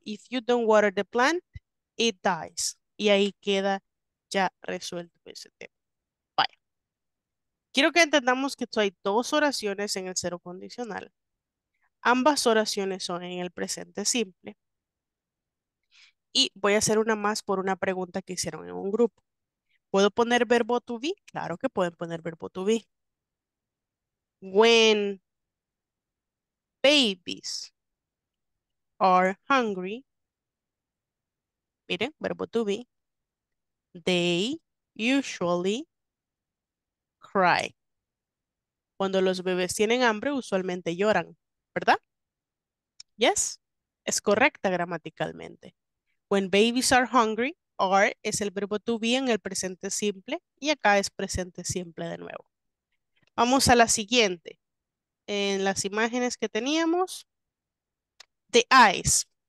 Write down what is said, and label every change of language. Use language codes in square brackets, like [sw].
[en] If you don't water the plant, it dies. [es] Y ahí queda ya resuelto ese tema. Vaya. Quiero que entendamos que hay dos oraciones en el cero condicional. Ambas oraciones son en el presente simple. Y voy a hacer una más por una pregunta que hicieron en un grupo. ¿Puedo poner verbo to be? Claro que pueden poner verbo to be. [en] When babies are hungry, [es] miren, [en] verbo to be, they usually cry. [es] Cuando los bebés tienen hambre, usualmente lloran, ¿verdad? [en] Yes, [es] es correcta gramaticalmente. [en] When babies are hungry, [es] are es el verbo to be en el presente simple y acá es presente simple de nuevo. Vamos a la siguiente. En las imágenes que teníamos, [en] the eyes.